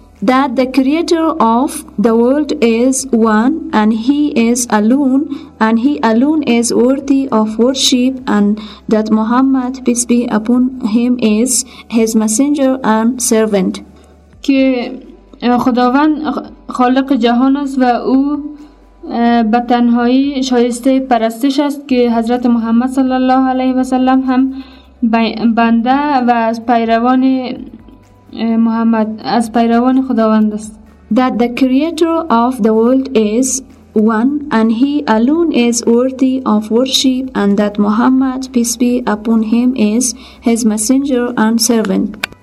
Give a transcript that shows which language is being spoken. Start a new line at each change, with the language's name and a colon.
English: That the creator of the world is one, and he is alone, and he alone is worthy of worship, and that Muhammad, peace be upon him, is his messenger and servant.
Persian: که خداوند خالق جهان است و او به تنهایی شایسته پرستش است که حضرت محمد صلی الله علیه و سلم هم بنده و از پیروان محمد از پیروان خداوند است.
English: That the creator of the world is one and he alone is worthy of worship and that Muhammad peace be upon him is his messenger and servant.